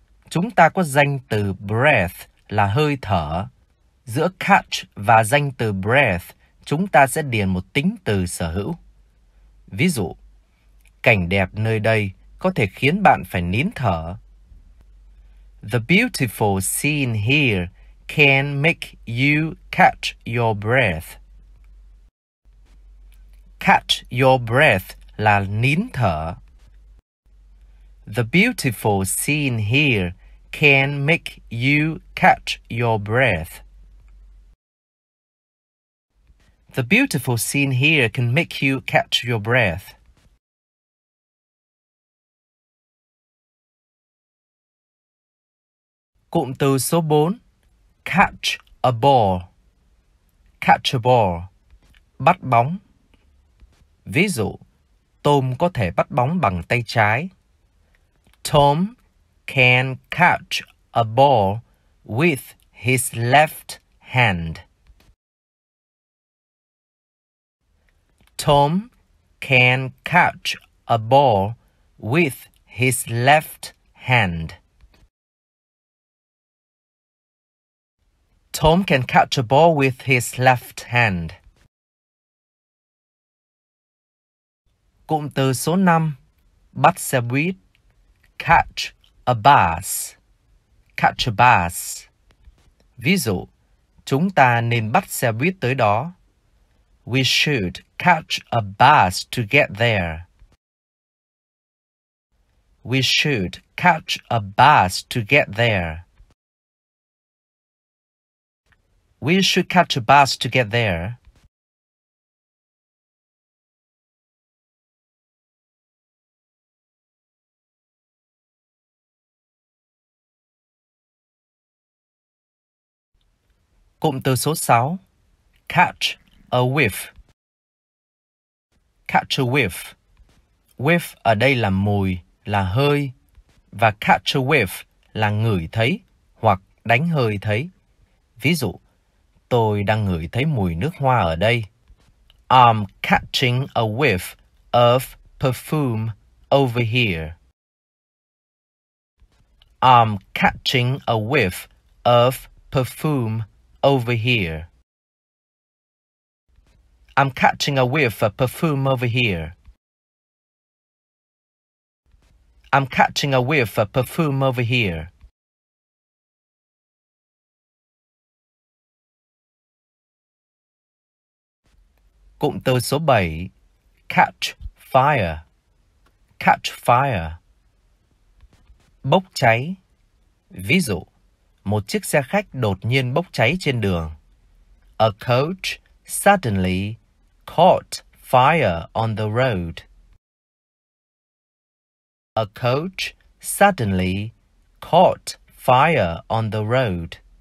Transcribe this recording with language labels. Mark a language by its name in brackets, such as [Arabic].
[Vietnamese] Chúng ta có danh từ breath là hơi thở. Giữa catch và danh từ breath, chúng ta sẽ điền một tính từ sở hữu. Ví dụ, cảnh đẹp nơi đây có thể khiến bạn phải nín thở. [English] The beautiful scene here can make you catch your breath. Catch your breath [Vietnamese] là nín thở. [English] The beautiful scene here can make you catch your breath. The beautiful scene here can make you catch your breath. [Vietnamese] Cụm từ số 4. [English] Catch a ball. Catch a ball. [Vietnamese] Bắt bóng. Ví dụ, tôm có thể bắt bóng bằng tay trái. [English] Tom can catch a ball with his left hand. Tom can catch a ball with his left hand. Tom can catch a ball with his left hand. [Vietnamese] Cụm từ số 5. Bắt xe buýt. [English] Catch a bus. Catch a bus. [Vietnamese] Ví dụ, chúng ta nên bắt xe buýt tới đó. [English] We should catch a bus to get there. We should catch a bus to get there. We should catch a bus to get there. [Vietnamese] Cụm từ số 6. [English] Catch a whiff. Catch a whiff. [Vietnamese] Whiff ở đây là mùi, là hơi. Và catch a whiff là ngửi thấy hoặc đánh hơi thấy. Ví dụ, tôi đang ngửi thấy mùi nước hoa ở đây. [English] I'm catching a whiff of perfume over here. I'm catching a whiff of perfume over here. I'm catching a whiff of perfume over here. I'm catching a whiff of perfume over here. [Vietnamese] Cụm từ số 7, [English] catch fire, catch fire. [Vietnamese] Bốc cháy. Ví dụ, một chiếc xe khách đột nhiên bốc cháy trên đường. [English] A coach suddenly caught fire on the road. A coach suddenly caught fire on the road.